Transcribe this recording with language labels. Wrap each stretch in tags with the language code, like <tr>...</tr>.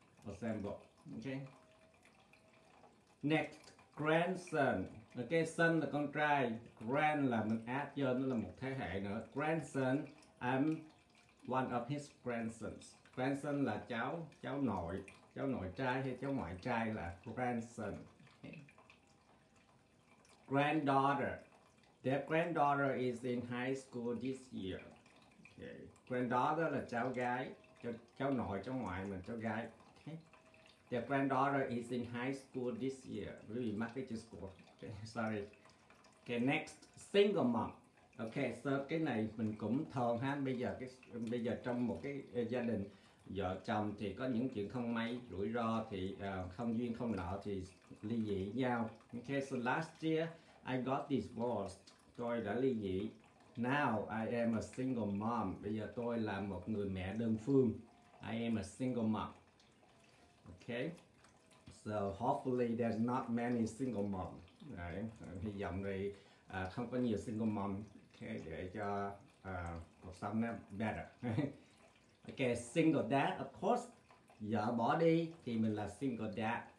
<en>For example, okay. Next, grandson.</en> <vi>Okay, son là con trai. Grand là mình add vô, nó là một thế hệ nữa. Grandson,</vi> <en>I'm one of his grandsons.</en> <vi>Grandson là cháu nội trai hay cháu ngoại trai là grandson.</vi> <en>Granddaughter. Their granddaughter is in high school this year. Okay.</en> <vi>Granddaughter là cháu gái, cháu nội, cháu ngoại mình, cháu gái. Okay.</vi> <en>Their granddaughter is in high school this year. Really, marketing school. Okay. Sorry. Okay, next, single mom.</en> <vi>Okay, so cái này mình cũng thường ha. Bây giờ trong một cái gia đình vợ chồng thì có những chuyện không may, rủi ro thì không duyên không nợ thì ly dị nhau.</vi> <en>Okay, so last year I got divorced.</en> <vi>Tôi đã ly dị.</vi> <en>Now I am a single mom.</en> <vi>Bây giờ tôi là một người mẹ đơn phương.</vi> <en>I am a single mom. Okay, so hopefully there's not many single mom. Right.</en> <vi>Hy vọng thì không có nhiều single mom. Okay, để cho cuộc sống nó better. Okay, single dad, of course, vợ bỏ đi thì mình là single dad.</vi>